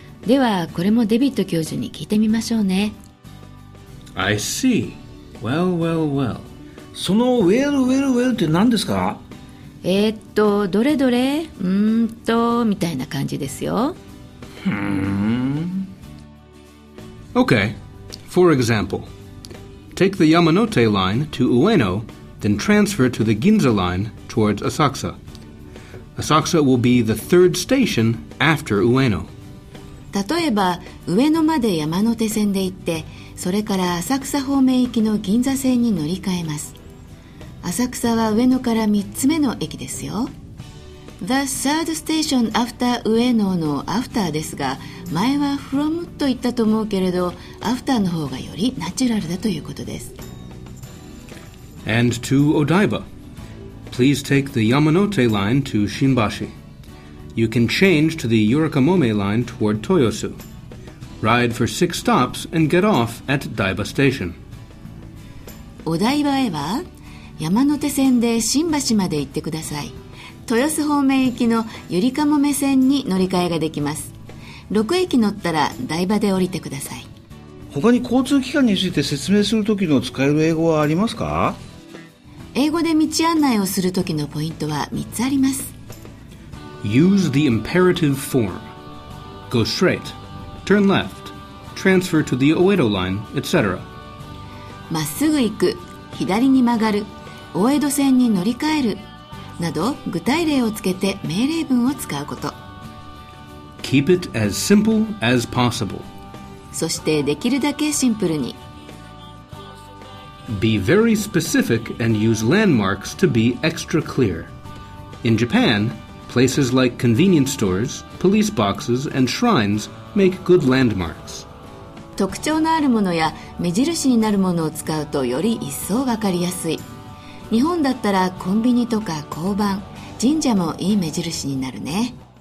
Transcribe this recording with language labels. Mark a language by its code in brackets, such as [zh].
[ja] ではこれもデビット教授に聞いてみましょうね。 [en] I see. Well, well, well. [ja] そのウェルウェルウェルって何ですか。どれどれみたいな感じですよ。 [en] Okay, for example, take the Yamanote line to Ueno, then transfer to the Ginza line towards Asakusa. Asakusa will be the third station after Ueno. [ja] 例えば、上野まで山手線で行って、それから浅草方面行きの銀座線に乗り換えます。浅草は上野から3つ目の駅ですよ。 The third station after 上野の after ですが、前は from と言ったと思うけれど、after の方がよりナチュラルだということです。 [en] And to Odaiba. Please take the Yamanote line to Shinbashi. You can change to the Yurikamome line toward Toyosu. Ride for 6 stops and get off at Daiba station. [ja] Odaiba へは、Yamanote 線で Shinbashi まで行ってください。豊洲方面行きのゆりかもめ線に乗り換えができます。 6駅乗ったら台場で降りてください。他に交通機関について説明するときの使える英語はありますか。英語で道案内をするときのポイントは3つあります。 [en] Use the imperative form. Go straight, turn left, transfer to the Oedo line, etc. [ja] まっすぐ行く、左に曲がる、大江戸線に乗り換えるなど、具体例をつけて命令文を使うこと。 [en] Keep it as simple as possible. [ja] そしてできるだけシンプルに。 [en] Be very specific and use landmarks to be extra clear. In Japan, places like convenience stores, police boxes and shrines make good landmarks. [ja] 特徴のあるものや目印になるものを使うとより一層わかりやすい。日本だったらコンビニとか交番、神社もいい目印になるね。